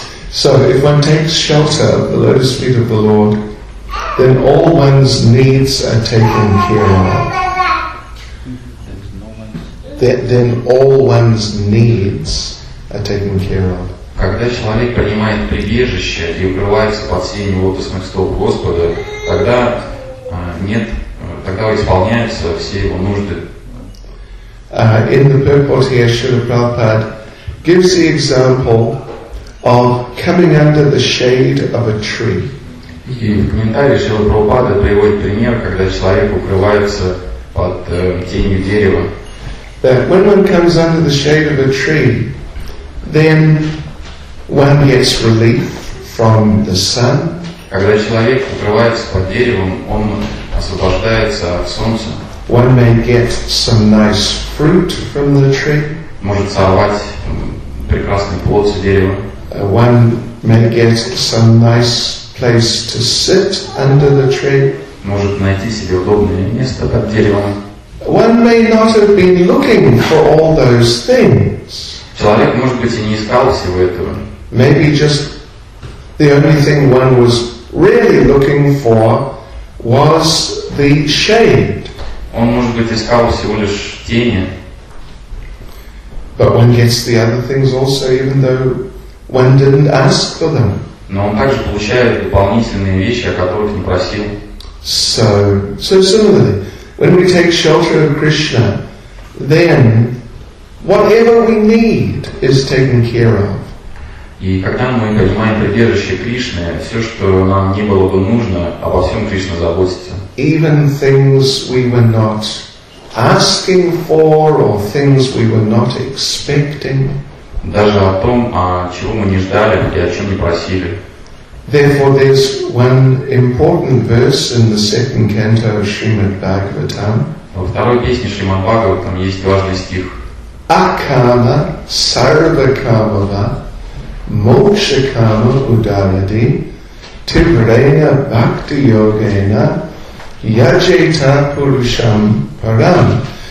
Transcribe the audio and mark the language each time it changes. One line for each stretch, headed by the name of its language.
English: So, if one takes shelter of the lotus feet of the Lord, then all one's needs are taken care of. Then all one's needs are taken care of.
Russian: Когда человек принимает прибежище и укрывается под сенью лотосных стоп Господа, тогда исполняются все его нужды.
English: In the purport here, Srila Prabhupada gives the example of coming under the shade of a tree.
Russian: И в комментарии Шрила Прабхупада приводит пример, когда человек укрывается под тенью дерева.
English: That when one comes under the shade of a tree, then one gets relief from the sun.
Russian: Когда человек укрывается под деревом, он освобождается от солнца.
English: One may get some nice fruit from the tree.
Russian: Может сорвать прекрасный плод с дерева.
English: One may get some nice place to sit under the tree.
Russian: Может найти себе удобное место под деревом.
English: One may not have been looking for all those things.
Russian: Человек, может быть, и не искал всего этого.
English: Maybe just the only thing one was really looking for was the shade.
Russian: Он, может быть, искал всего лишь тени.
English: But one gets the other things also, even though one didn't ask for them.
Russian: Но он также получает дополнительные вещи, о которых не просил.
English: So similarly, when we take shelter of Krishna, then whatever we need is taken care of.
Russian: И когда мы принимаем прибежище Кришны, все, что нам не было бы нужно, обо всем Кришна заботится.
English: Even things we were not asking for or things we were not expecting.
Russian: Даже о том, о чего мы не ждали и о чем не просили.
English: Therefore, there's one important verse in the second canto of Srimad Bhagavatam.
Russian: Во второй песне Шримад Бхагаватам есть важный стих.
Sanskrit: Акама сарвакамава мокшакама удаяди тиврена бхакти йогена яджета пурушам парам.